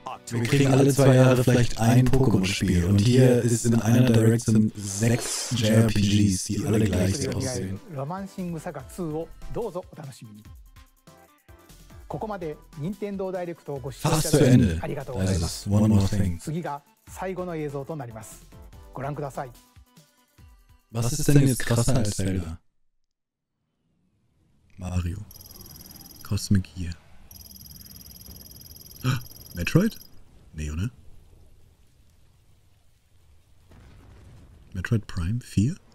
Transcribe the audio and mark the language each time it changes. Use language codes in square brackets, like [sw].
[de] Wir kriegen alle zwei Jahre vielleicht ein Pokémon-Spiel. Und hier ist in einer Direction sechs JRPGs, die alle gleich aussehen. [ja] Romancing Saga 2, dozo otanoshimi ni. ここまで任天堂ダイレクトをご視聴いただきありがとうございます。 [en] One more thing. [ja] 次が最後の映像となります。ご覧ください。 [de] Was ist denn jetzt krasser als Zelda? Mario. Cosmic Gear. Metroid? Neo, ne? Metroid Prime 4?